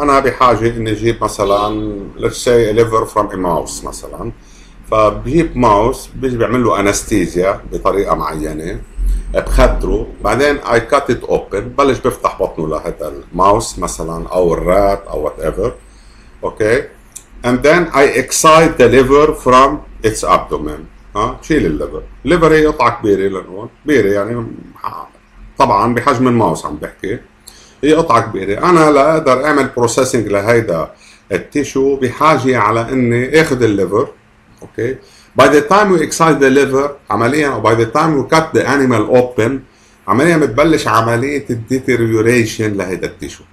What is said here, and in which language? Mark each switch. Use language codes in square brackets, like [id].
[ar] انا بحاجة اني اجيب مثلا [en] let's say a liver from a mouse [ar] مثلا، فبجيب ماوس بيجي بيعمل له انستيزيا بطريقة معينة، بخدره، بعدين [en] I cut it open، [ar] بلش بفتح بطنه لهذا الماوس مثلا او الرات او whatever. [en] Okay, and then I excite the liver from its abdomen. [ar] شيل الليفر. الليفر هي قطعة كبيرة، لنقول كبيرة يعني طبعا بحجم الماوس عم بحكي، هي قطعة كبيرة. انا لا اقدر اعمل بروسيسنج لهيدا التيشو، بحاجة على اني اخذ الليفر. [en] okay, by the time we excite the liver عمليا، او by the time we cut the animal open عمليا، [ar] بتبلش عملية الديتيريوريشن لهيدا التيشو.